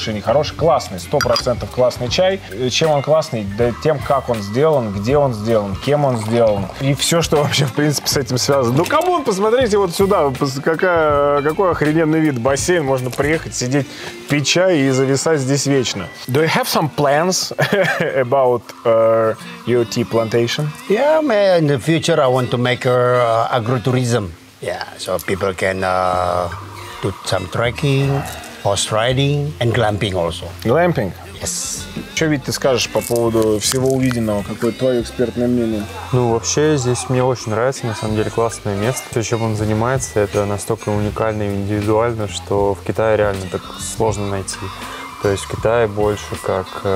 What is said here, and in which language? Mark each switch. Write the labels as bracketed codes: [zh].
[ru] Хороший, нехороший, классный, 100% классный чай. Чем он классный? Да тем, как он сделан, где он сделан, кем он сделан. И все, что вообще, в принципе, с этим связано. Ну, камон, посмотрите вот сюда. Какой охрененный вид. Бассейн, можно приехать, сидеть, пить чай и зависать здесь вечно. [en] Do you have some plans about your tea plantation? Yeah, man, in the future I want to make agro-tourism. Yeah, so people can do some trekking, horse riding and glamping also. Glamping? Yes. [ru] Что, Вить, ты скажешь по поводу всего увиденного? Какое твое экспертное мнение? Ну, вообще, здесь мне очень нравится, на самом деле, классное место. Все, чем он занимается, это настолько уникально и индивидуально, что в Китае реально так сложно найти. То есть в Китае больше как...